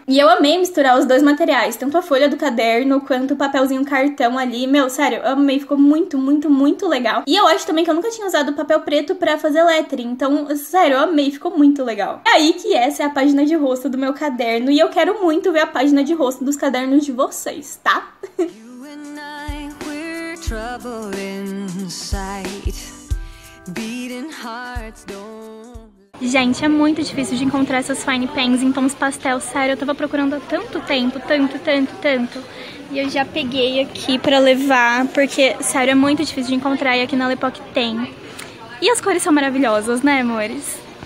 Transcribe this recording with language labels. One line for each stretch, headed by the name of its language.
Portuguese: E eu amei misturar os dois materiais, tanto a folha do caderno quanto o papelzinho cartão ali. Meu, sério, eu amei, ficou muito, muito, muito legal. E eu acho também que eu nunca tinha usado papel preto pra fazer lettering. Então, sério, eu amei, ficou muito legal. É aí que essa é a página de rosto do meu caderno. E eu quero muito ver a página de rosto dos cadernos de vocês, tá?
English: You and I, we're trouble inside. Beating hearts don't...
Portuguese: Gente, é muito difícil de encontrar essas fine pens em tons pastel, sério, eu tava procurando há tanto tempo, tanto, tanto, tanto. E eu já peguei aqui pra levar, porque, sério, é muito difícil de encontrar e aqui na Lepoque tem. E as cores são maravilhosas, né, amores?